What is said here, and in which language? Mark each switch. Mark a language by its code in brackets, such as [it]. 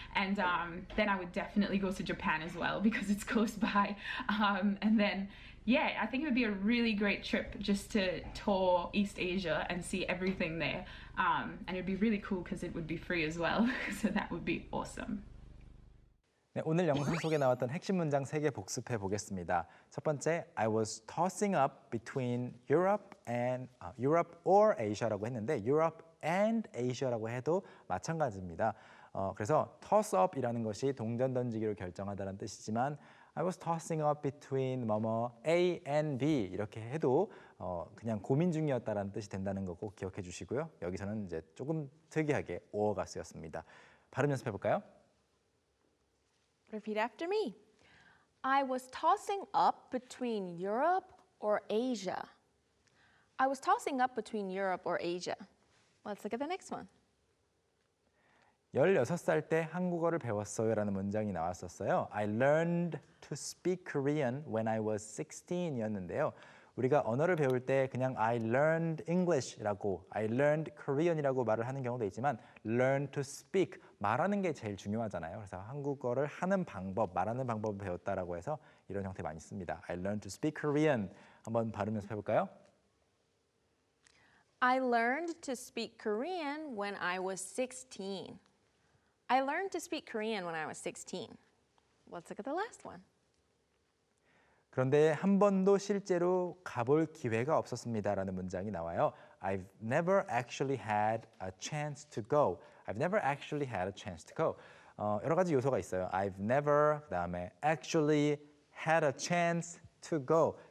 [en] And then I would definitely go to Japan as well, because it's close by. And then, yeah, I think it would be a really great trip just to tour East Asia and see everything there. And it'd be really cool because it would be free as well. So that would be awesome. [ko] 네, 오늘 영상 속에 나왔던 핵심 문장 3개 복습해 보겠습니다. 첫 번째, [en] I was tossing up between Europe and Europe or Asia [ko] 라고 했는데 Europe and Asia라고 해도 마찬가지입니다. 그래서 toss up이라는 것이 동전 던지기로 결정하다는 뜻이지만 [en] I was tossing up between [ko] 뭐뭐 A and B 이렇게 해도 그냥 고민 중이었다라는 뜻이 된다는 거 꼭 기억해 주시고요. 여기서는 이제 조금 특이하게 or가 쓰였습니다. 발음 연습해 볼까요? [en] Repeat after me. I was tossing up between Europe or Asia. I was tossing up between Europe or Asia. Let's look at the next one. [ko] 16살 때 한국어를 배웠어요라는 문장이 나왔었어요. [en] I learned to speak Korean when I was 16이었는데요. [ko] 우리가 언어를 배울 때 그냥 [en] I learned English [ko] 라고, I learned Korean이라고 말을 하는 경우도 있지만 learn to speak, 말하는 게 제일 중요하잖아요. 그래서 한국어를 하는 방법, 말하는 방법을 배웠다라고 해서 이런 형태 많이 씁니다. [en] I learned to speak Korean. [ko] 한번 발음 연습해 볼까요? [en] I learned to speak Korean when I was 16. I learned to speak Korean when I was 16. Let's look at the last one. [ko] 그런데 한 번도 실제로 가볼 기회가 없었습니다라는 문장이 나와요. [en] I've never actually had a chance to go. I've never actually had a chance to go. [ko] 여러 가지 요소가 있어요. [en] I've never, [ko] 그 다음에 [en] actually had a chance to go.